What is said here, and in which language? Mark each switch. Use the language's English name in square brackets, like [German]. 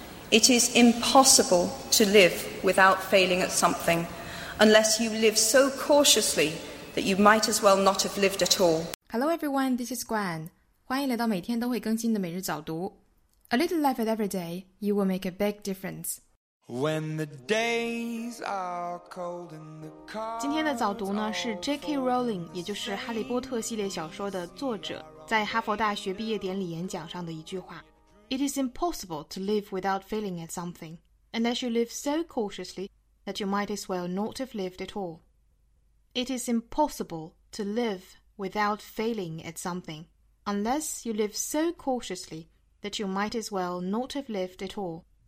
[English] It is impossible to live without failing at something, unless you live so cautiously that you might as well not have lived at all. Hello everyone, this is Gwen. [Chinese] 欢迎来到每天都会更新的每日早读。 [English] A little effort every day, you will make a big difference. When the days are cold and the cards are [Chinese] 今天的早读呢是 J.K. Rowling, 也就是哈利波特系列小说的作者在哈佛大学毕业典礼演讲上的一句话。 [English] It is impossible to live without failing at something, unless you live so cautiously that you might as well not have lived at all. It is impossible to live without failing at something, unless you live so cautiously that you might as well not have lived at all.